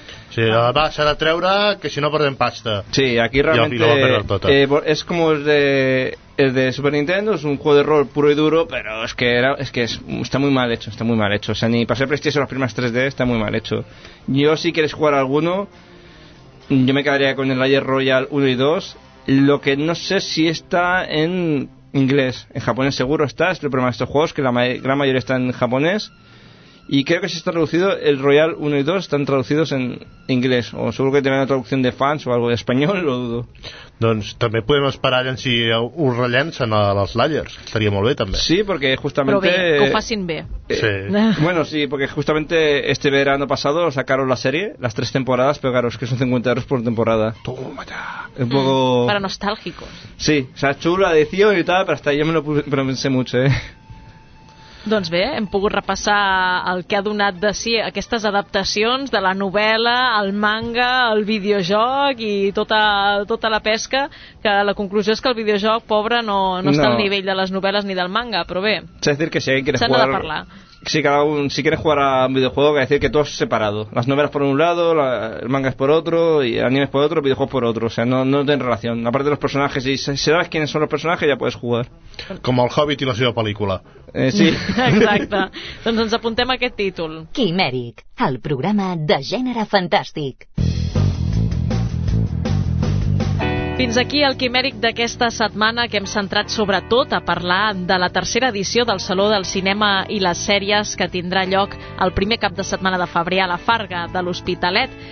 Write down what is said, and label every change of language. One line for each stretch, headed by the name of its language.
Catalan: Sí, va, s'ha de treure, que si no perdem pasta.
Spanish: Sí, aquí realmente es como el de Super Nintendo, es un juego de rol puro y duro, pero está muy mal hecho. O sea, ni para ser prestigioso las primeras 3D, está muy mal hecho. Yo, si quieres jugar alguno, yo me quedaría con el Slayer Royal 1 y 2. Lo que no sé si está en inglés. En japonés seguro está, es el problema de estos juegos, que la gran mayoría está en japonés. Y creo que se está traducido, el Royal 1 y 2 están traducidos en inglés. O seguro que tenen una traducción de fans o algo de español, lo dudo.
Catalan: Doncs també podem esperar en si un rellencen a les Slayers. Estaria molt bé, també. Sí, perquè justament... Però bé, que ho facin bé. Sí.
Spanish: Bueno, sí, porque justamente este verano pasado sacaron la serie, las tres temporadas, pero claro, es que son 50 euros por temporada. Toma ya. Un poco... Para nostálgicos. Sí, o sea, chula, edición y tal, pero hasta ahí yo me lo pensé mucho, ¿eh?
Catalan: Doncs bé, hem pogut repassar el que ha donat de si aquestes adaptacions de la novel·la, el manga, el videojoc i tota la pesca, que la conclusió és que el videojoc, pobre, no està al nivell de les novel·les ni del manga, però bé. S'ha de dir que
Spanish: si alguien quiere jugar... Si quieres jugar a un videojuego, que decir que todo es separado. Las novelas por un lado, el manga es por otro, y el anime es por otro, el videojuego por otro. O sea, no tienen relación. Aparte de los personajes, y si sabes quiénes son los personajes, ya puedes jugar. Como el Hobbit y
Catalan: la seva
Spanish: película. Sí.
Catalan: Exacte. Doncs ens apuntem a aquest títol. Quimèric, el programa de gènere fantàstic. Fins aquí el Quimèric d'aquesta setmana, que hem centrat sobretot a parlar de la tercera edició del Saló del Cinema i les Sèries, que tindrà lloc el primer cap de setmana de febrer a la Farga de l'Hospitalet.